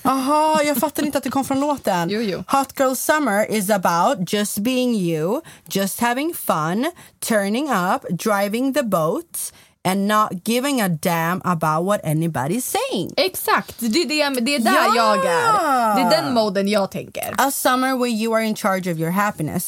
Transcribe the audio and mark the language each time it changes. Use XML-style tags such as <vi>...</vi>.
<sv>Aha, jag fattar inte att det kom från låten. Jo.</sv> <en>Hot Girl Summer is about just being you, just having fun, turning up, driving the boat, and not giving a damn about what anybody's saying.</en> <sv>Exakt, det är där, ja, jag är. Det är den moden jag tänker.</sv> <en>A summer where you are in charge of your happiness.</en>